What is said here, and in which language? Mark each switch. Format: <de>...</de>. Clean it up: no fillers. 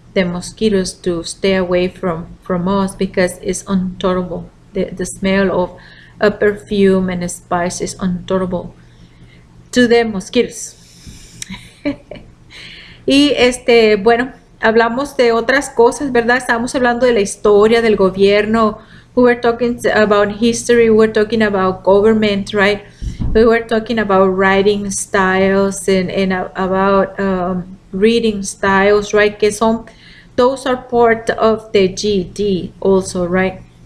<en>the mosquitoes to stay away from us, because it's untolerable. The smell of a perfume and a spice is untolerable to the mosquitoes.</en> <es>Y este, bueno, hablamos de otras cosas, ¿verdad? Estábamos hablando de la historia del gobierno.</es> <en>We were talking about history, we were talking about government, right? We were talking about writing styles and about reading styles, right?</en> <es>Que son,</es> <en>those are part of the GED also, right?</en>